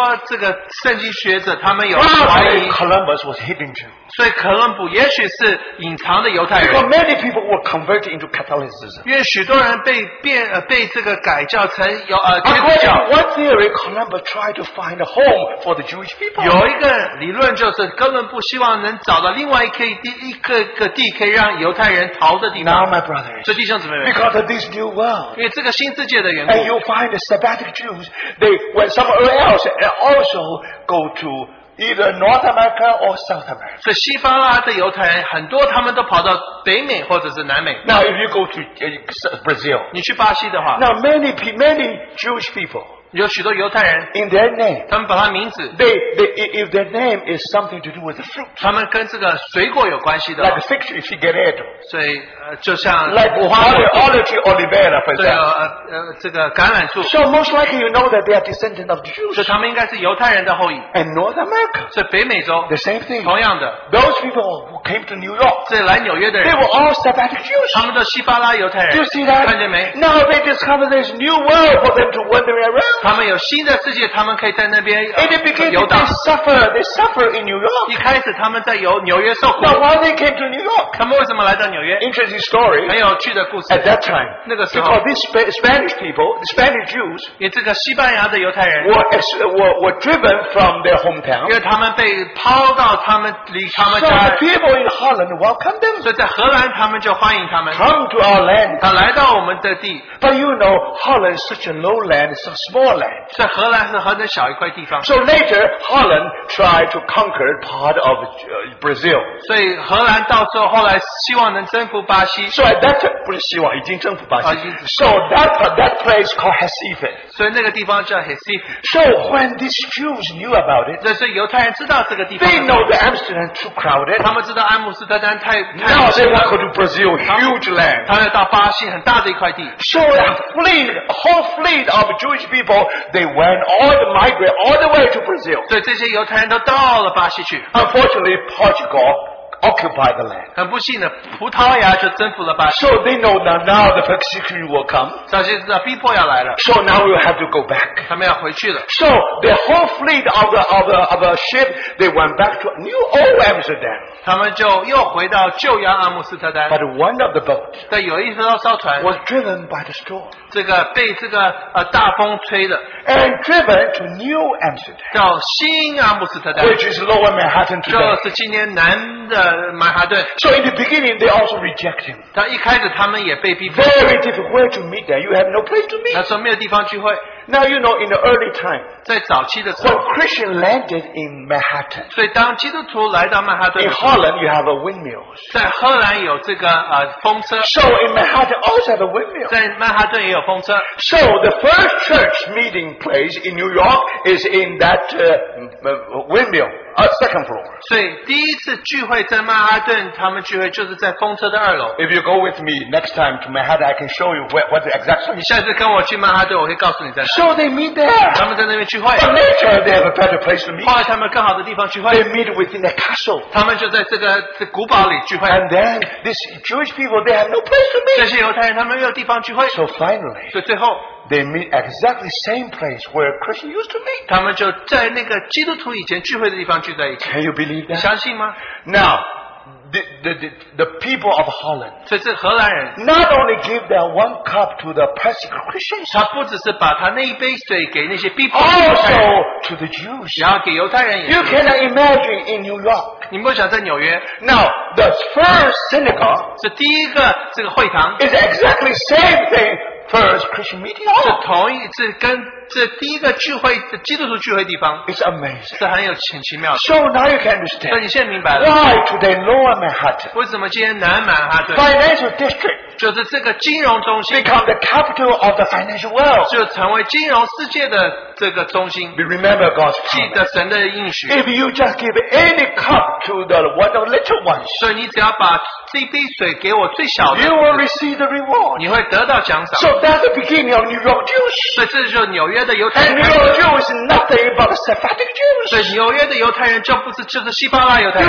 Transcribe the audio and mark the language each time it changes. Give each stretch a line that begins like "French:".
Chinese: 所以许多这个圣经学者他们有怀疑
English: Columbus was hidden Jew.
Chinese: 所以哥伦布也许是隐藏的犹太人
English: Because many people were converted into Catholicism.
Chinese: 因为许多人被这个改教成天主教
English: According to one theory, Columbus tried to find a home for the Jewish people.
Chinese: 有一个理论就是哥伦布希望能找到另外一个地可以让犹太人逃的地方
English: Now my brothers,
Chinese: 所以弟兄姊妹们,
English: because of this new world,
Chinese: 因为这个新世界的缘故,
English: and you'll find the Sephardic Jews, they went somewhere else and also go to either North America or South America.
Chinese: 所以西方拉的犹太人很多他们都跑到北美或者是南美。
English: Now if you go to Brazil,
Chinese: 你去巴西的话,
English: now many Jewish people,
Chinese: 有许多犹太人,
English: in their name,
Chinese: 他们把他名字,
English: if their name is something to do with the fruit,
Chinese: 他们跟这个水果有关系的,
English: like fig tree, figueiredo,
Chinese: 所以就像,
English: like olive tree, olivera, for example,
Chinese: 这个橄榄树,
English: so most likely you know that they are descendants of Jews,
Chinese: 所以他们应该是犹太人的后裔,
English: and North America,
Chinese: 所以北美洲,
English: the same thing,
Chinese: 同样的,
English: those people who came to New York,
Chinese: 这来纽约的人,
English: they were all Sephardic Jews,
Chinese: 他们都西巴拉犹太人,
English: do you see that?
Chinese: 看见没?
English: Now they discover this new world for them to wander around.
Chinese: 他们有新的世界, 他们可以在那边,
English: they suffer in New York.
Chinese: 一开始他们在纽约受苦,
English: now why they came to New York?
Chinese: 他们为什么来到纽约?
English: Interesting story.
Chinese: 很有趣的故事,
English: at that time,
Chinese: 那个时候,
English: because these Spanish people, the Spanish Jews,
Chinese: 因为这个西班牙的犹太人,
English: were driven from their hometown.
Chinese: 因为他们被抛到他们,
English: so the people in Holland welcomed them.
Chinese: 所以在荷兰他们就欢迎他们,
English: come to our land.
Chinese: 他来到我们的地,
English: but you know, Holland is such a low land, it's a small Holland.
Chinese: 在荷兰是荷兰小一块地方。
English: So later, Holland tried to conquer part of Brazil.
Chinese: 所以荷兰到时候后来希望能征服巴西。
English: So at that time,
Chinese: 不是希望已经征服巴西。
English: So that place called Recife.
Chinese: 所以那个地方叫 Recife.
English: So when these Jews knew about it,
Chinese: 那所以犹太人知道这个地方。
English: They know the Amsterdam too crowded.
Chinese: 他们知道阿姆斯特丹太。
English: Now they want to go to Brazil, huge land.
Chinese: 他们要到巴西很大的一块地。
English: So a whole fleet of Jewish people, they went all the way to Brazil.
Chinese: 对，这些犹太人都到了巴西去。
English: Unfortunately, Portugal occupy the land.
Chinese: 很不幸的，葡萄牙就征服了巴西。
English: So they know that now the persecution will come.
Chinese: 早些知道逼迫要来了。
English: So now we have to go back.
Chinese: 他们要回去了。
English: So the whole fleet of the ship, they went back to New Old Amsterdam.
Chinese: 他们就又回到旧阳阿姆斯特丹。
English: But one of the boats,
Chinese: 对，有一艘艘船,
English: was driven by the storm.
Chinese: 这个被这个大风吹的,
English: and driven to New Amsterdam.
Chinese: 到新阿姆斯特丹,
English: which is Lower Manhattan today.
Chinese: 就是今年南
English: So in the beginning, they also reject him.
Chinese: 他一开始他们也被逼迫,
English: very difficult. Where to meet there? You have no place to meet.
Chinese: 他说没有地方聚会。
English: Now you know, in the early time,
Chinese: 在早期的时候,
English: when Christian landed in Manhattan,
Chinese: 所以当基督徒来到曼哈顿,
English: in Holland, you have a windmill.
Chinese: 在荷兰有这个, 风车,
English: so in Manhattan, also have a windmill.
Chinese: 在曼哈顿也有风车,
English: so the first church meeting place in New York is in that windmill. Second floor.
Chinese: 所以第一次聚会在曼哈顿，他们聚会就是在风车的二楼。
English: If you go with me next time to Manhattan, I can show you what the exact.
Chinese: 你下次跟我去曼哈顿，我会告诉你在哪。
English: So they meet there.
Chinese: 他们在那边聚会。
English: But later they have a better place to meet.
Chinese: 后来他们更好的地方聚会。
English: They meet within the castle.
Chinese: 他们就在这个古堡里聚会。
English: And then these Jewish people, they have no place to meet.
Chinese: 这些犹太人他们没有地方聚会。
English: So finally.
Chinese: 所以最后。
English: They meet exactly the same place where Christians used to meet.
Chinese: 他们就在那个基督徒以前聚会的地方聚在一起。
English: Can you believe that?
Chinese: 相信吗?
English: Now, the people of Holland,
Chinese: 这是荷兰人,
English: not only give their one cup to the persecuted Christians,
Chinese: 他不只是把他那一杯水给那些逼迫的犹太人,
English: also to the Jews.
Chinese: 然后给犹太人也,
English: you cannot imagine in New York.
Chinese: 你不想在纽约,
English: now, the first synagogue,
Chinese: 是第一个这个会堂,
English: is exactly the same thing. First Christian meeting.
Chinese: Oh, 是同一,
English: it's amazing.
Chinese: 是很有奇妙的,
English: so now you can understand.
Chinese: 那你现在明白了,
English: why today Lower Manhattan?
Chinese: 为什么今天南曼哈顿,
English: financial district.
Chinese: 就是这个金融中心,
English: become the capital of the financial world.
Chinese: 就成为金融世界的这个中心,
English: remember God's promise.
Chinese: 记得神的应许,
English: if you just give any cup to the one of little ones,
Chinese: 所以你只要把这杯水给我最小的,
English: you will receive the reward.
Chinese: 你会得到奖赏。
English: So that's the beginning of New York Jews.
Chinese: 所以这就是纽约的犹太人。
English: And New York Jews is nothing but Sephardic Jews.
Chinese: 所以纽约的犹太人就不是就是西班牙犹太人。